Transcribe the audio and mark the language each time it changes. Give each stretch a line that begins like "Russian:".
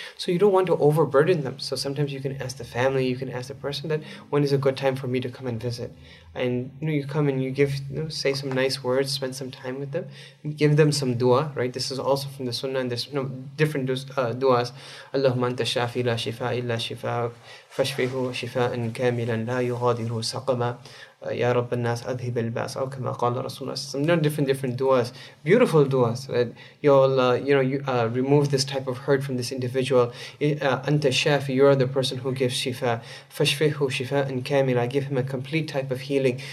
English: So you don't want to overburden them. So sometimes you can ask the family, you can ask the person that, when is a good time for me to come and visit? And you know, you come and you give, you know, say some nice words, spend some time with them, give them some dua, right? This is also from the sunnah, and there's, you know, different duas.
Arabic: Allahumma anta shafi la shifa illa shifa. فاشفه شفاء كاملا لا يغادر سقما. Ya Rabb al-Nas adhib al-Ba's,
English: or
Arabic: كما قال رسول الله.
English: Some different du'as, beautiful du'as. You remove this type of hurt from this individual.
Arabic: Anta shafi,
English: you are the person who gives shifa.
Arabic: Fashfihu shifa'an kamila,
English: give him a complete type of healing.